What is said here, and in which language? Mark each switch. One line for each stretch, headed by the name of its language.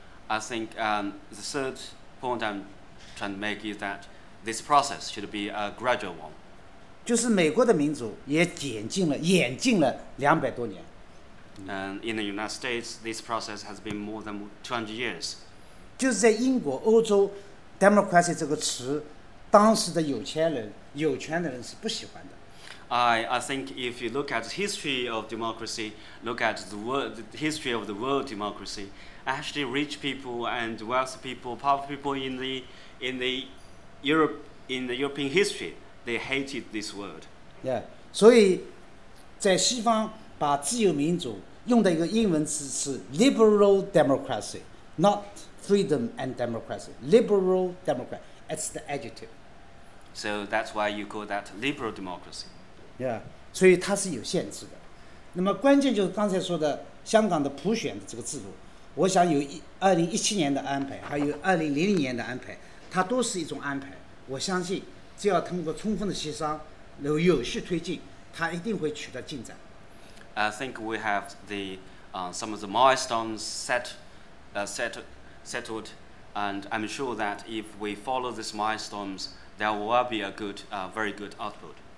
English: I think the third point I'm trying to make is that this process should be a gradual one.
Chinese: 就是美国的民主也演进了200多年。
English: In the United States, this process has been more than 200 years.
Chinese: 就是在英国、欧洲。democracy 这个词, 当时的有钱人是不喜欢的。
English: I think if you look at the history of democracy, look at the world, the history of the world democracy, actually rich people and wealthy people, powerful people in the European history, they hated this word.
Chinese: Yeah. 所以在西方把自由民主用的一个英文词是
English: liberal democracy, not freedom and democracy. Liberal democracy, it's the adjective. So that's why you call that liberal democracy.
Chinese: Yeah, 所以它是有限制的。那么关键就是刚才说的香港的普选的这个制度，我想有2017年的安排，还有2000年的安排，它都是一种安排。我相信，只要通过充分的协商，有序推进，它一定会取得进展。
English: I think we have the some of the milestones settled, and I'm sure that if we follow these milestones, there will be a good, very good output.